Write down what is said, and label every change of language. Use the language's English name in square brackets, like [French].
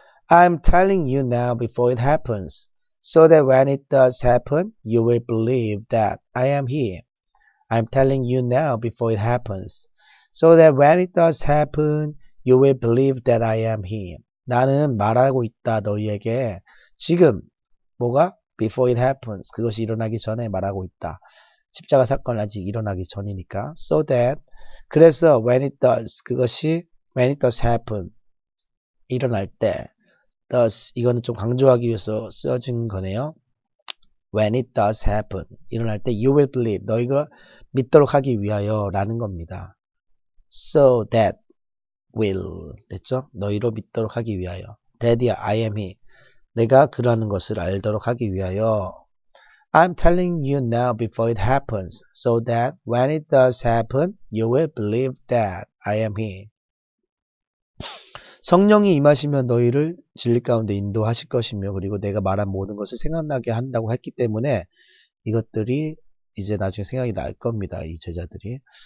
[English] I'm telling you now before it happens, so that when it does happen, you will believe that I am he. I'm telling you now before it happens, so that when it does happen, you will believe that I am he. [Korean] 나는 말하고 있다, 너희에게. 지금, 뭐가? [English] Before it happens. [Korean] 그것이 일어나기 전에 말하고 있다. 십자가 사건 아직 일어나기 전이니까. [English] So that, [Korean] 그래서 [English] when it does, [Korean] 그것이 [English] when it does happen. [Korean] 일어날 때. Thus, 이거는 좀 강조하기 위해서 쓰여진 거네요. [English] When it does happen. [Korean] 일어날 때, [English] you will believe. [Korean] 너희가 믿도록 하기 위하여 라는 겁니다. [English] So that will. [Korean] 됐죠? 너희로 믿도록 하기 위하여. [English] That이야, I am he. [Korean] 내가 그러는 것을 알도록 하기 위하여. [English] I'm telling you now before it happens, so that when it does happen, you will believe that I am he. [Korean] 성령이 임하시면 너희를 진리 가운데 인도하실 것이며, 그리고 내가 말한 모든 것을 생각나게 한다고 했기 때문에 이것들이 이제 나중에 생각이 날 겁니다. 이 제자들이.